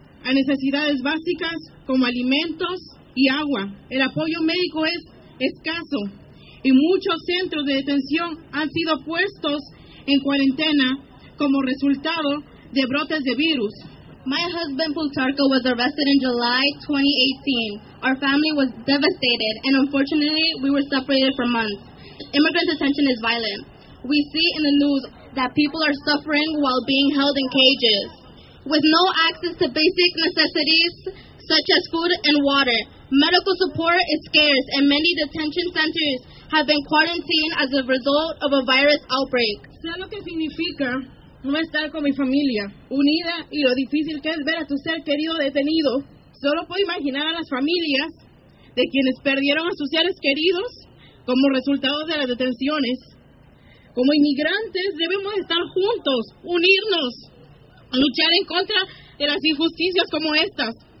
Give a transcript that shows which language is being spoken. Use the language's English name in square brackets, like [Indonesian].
[Spanish] A necesidades básicas como alimentos y agua. El apoyo médico es escaso y muchos centros de detención han sido puestos en cuarentena como resultado de brotes de virus. [English] My husband Plutarco was arrested in July 2018. Our family was devastated and unfortunately we were separated for months. Immigrant detention is violent. We see in the news that people are suffering while being held in cages. With no access to basic necessities such as food and water, medical support is scarce, and many detention centers have been quarantined as a result of a virus outbreak. [Spanish] Sé lo que significa no estar con mi familia unida y lo difícil que es ver a tu ser querido detenido. Solo puedo imaginar a las familias de quienes perdieron a sus seres queridos como resultado de las detenciones. Como inmigrantes debemos estar juntos, unirnos, luchar en contra de las injusticias como estas.